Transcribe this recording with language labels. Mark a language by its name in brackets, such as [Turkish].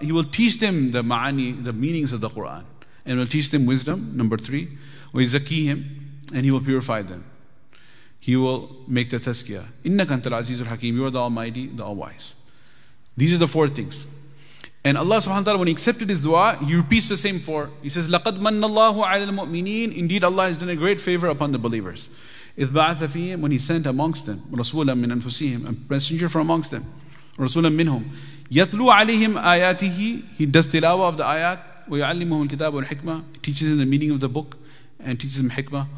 [English] He will teach them the ma'ani, the meanings of the Quran. And will teach them wisdom, number three. [Arabic] Wa yuzakkihim. [English] And he will purify them. He will make the tazkiyah. [Arabic] Innaka antal azizul hakim. [English] You are the Almighty, the All-Wise. These are the four things. And Allah subhanahu wa ta'ala, when he accepted his dua, he repeats the same four. He says, [Arabic] لَقَدْ مَنَّ اللَّهُ عَلَى الْمُؤْمِنِينَ. [English] Indeed, Allah has done a great favor upon the believers. [Arabic] إِذْ بَعَثَ فِيهِمْ. [English] When he sent amongst them, [Arabic] رَسُولًا مِّنْ أَنفُسِهِمْ. [English] A messenger from amongst them. [Arabic] رَسُولًا مِّنْهُمْ. يَتْلُوا عَلَيْهِمْ آيَاتِهِ. [English] He does tilawa of the ayat. [Arabic] وَيُعَلِّمُهُمُ الْكِتَابَ وَالْحِكْمَةَ. [English] Teaches them the meaning of the book. And teaches them hikmah.